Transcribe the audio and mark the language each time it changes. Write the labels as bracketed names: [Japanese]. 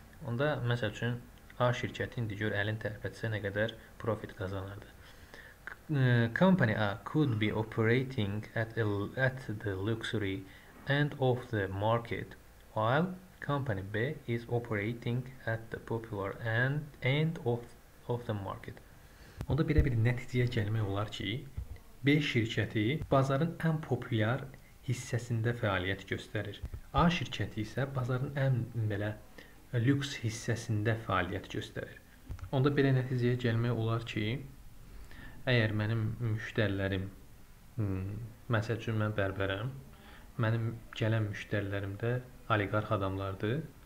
[Azerbaijani] Onda, məsəl üçün, A şirkəti indi gör, əlin tərpətsə nə qədər profit qazanırdı. [English] Company A could be operating at the luxury end of the market, while company B is operating at the popular end of the market. [Azerbaijani] Onda belə bir nəticəyə gəlmək olar ki, B şirkəti bazarın ən populyar hissəsində fəaliyyət göstərir. A şirkəti isə bazarın ən belə lüks hissəsində fəaliyyət göstərir. Onda belə nəticəyə gəlmək olar ki, əgər mənim müştərilərim, məsəl üçün mən bərbərəm, mənim gələn müştərilərim də oliqarx adamlardır.